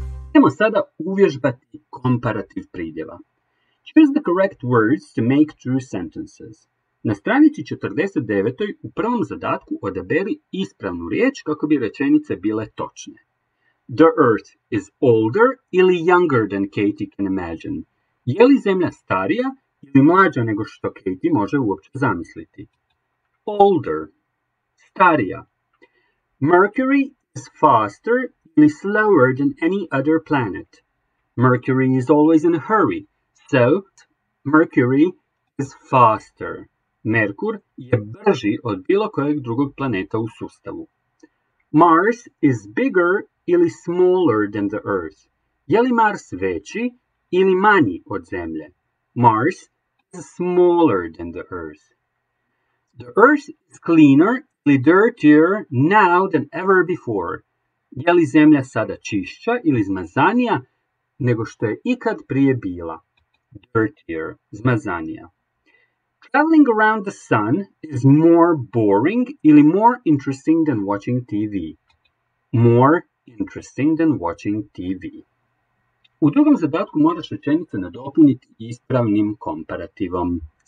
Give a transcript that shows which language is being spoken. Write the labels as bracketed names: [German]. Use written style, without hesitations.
[Croatian] Idemo sada uvježbati komparativ pridjeva. [English] Choose the correct words to make true sentences. [Croatian] Na stranici 49. u prvom zadatku odaberi ispravnu riječ kako bi rečenice bile točne. [English] The earth is older ili younger than Katie can imagine. [Croatian] Je li zemlja starija ili mlađa nego što Katie može uopće zamisliti? Older. Starija. [English] Mercury is faster ili slower than any other planet. Mercury is always in a hurry. So, Mercury is faster. [Croatian] Merkur je brži od bilo kojeg drugog planeta u sustavu. [English] Mars is bigger ili smaller than the Earth. [Croatian] Je li Mars veći ili manji od Zemlje? [English] Mars is smaller than the Earth. The Earth is cleaner ili dirtier now than ever before. [Croatian] Je li Zemlja sada čišća ili zmazanija nego što je ikad prije bila. Dirtier, zmazanija. [English] Traveling around the sun is more boring ili more interesting than watching TV. More interesting than watching TV. [Croatian] U drugom zadatku moraš rečenice nadopuniti ispravnim komparativom.